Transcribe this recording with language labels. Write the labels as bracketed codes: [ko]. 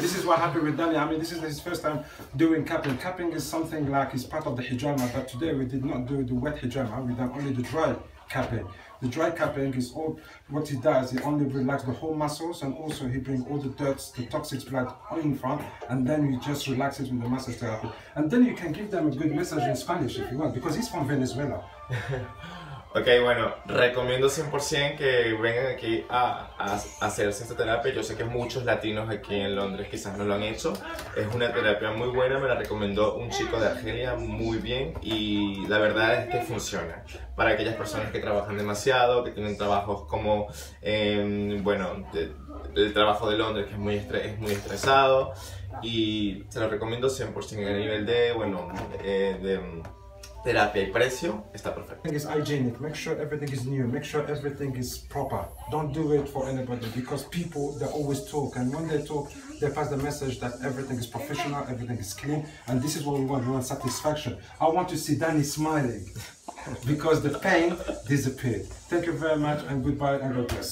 [en] This is what happened with Danny. I mean, this is his first time doing capping. Capping is something like it's part of the hijama, but today we did not do the wet hijama, we done only the dry capping. The dry capping is all what he does, he only relax the whole muscles, and also he brings all the dirt, the toxic blood in front, and then he just relaxes with the massage therapy. And then you can give them a good message in Spanish if you want, because he's from Venezuela. [es] Okay, bueno, recomiendo 100% que vengan aquí a hacerse esta terapia. Yo sé que muchos latinos aquí en Londres quizás no lo han hecho. Es una terapia muy buena, me la recomendó un chico de Argelia muy bien y la verdad es que funciona. Para aquellas personas que trabajan demasiado, que tienen trabajos como, el trabajo de Londres que es muy estresado y se lo recomiendo 100% a nivel de, terapia y precio está perfecto. [en] Everything is hygienic. Make sure everything is new. Make sure everything is proper. Don't do it for anybody because people, they always talk, and when they talk, they pass the message that everything is professional, everything is clean, and this is what we want. We want satisfaction. I want to see Danny smiling because the pain disappeared. Thank you very much and goodbye and God bless.